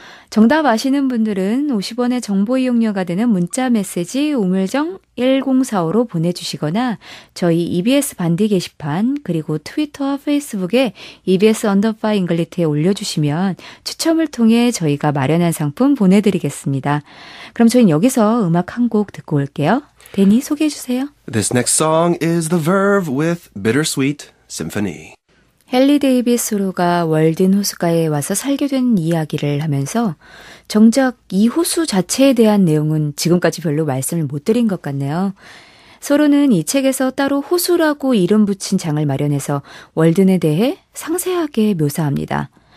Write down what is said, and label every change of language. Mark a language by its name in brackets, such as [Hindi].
[Korean] 정답 아시는 분들은 50원의 정보 이용료가 되는 문자 메시지 우물정 1045로 보내주시거나 저희 EBS 반디 게시판 그리고 트위터와 페이스북에 EBS 언더바 잉글리트에 올려주시면 추첨을 통해 저희가 마련한 상품 보내드리겠습니다. 그럼 저희는 여기서 음악 한 곡 듣고 올게요. 데니 소개해 주세요. [English] This next song is The Verve with Bittersweet Symphony. [Korean] 헨리 데이비스로가 월든 호수가에 와서 살게 된 이야기를 하면서 정작 이 호수 자체에 대한 내용은 지금까지 별로 말씀을 못 드린 것 같네요. 서로는 이 책에서 따로 호수라고 이름 붙인 장을 마련해서 월든에 대해 상세하게 묘사합니다.